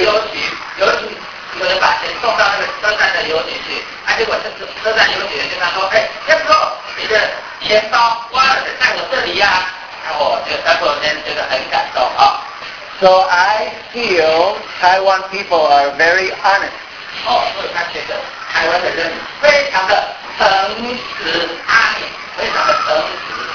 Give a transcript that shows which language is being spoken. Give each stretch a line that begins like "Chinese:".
Chinese: 邮局有人把钱送到那个车站的邮局去，结果车站邮局跟他说，哎，这时候你的钱包挖了在我这里呀，然后这个当地人觉得很感动啊。
English: So I feel Taiwan people are very honest.
Chinese: 哦，所以他觉得台湾的人非常的诚实，安逸，非常的诚实。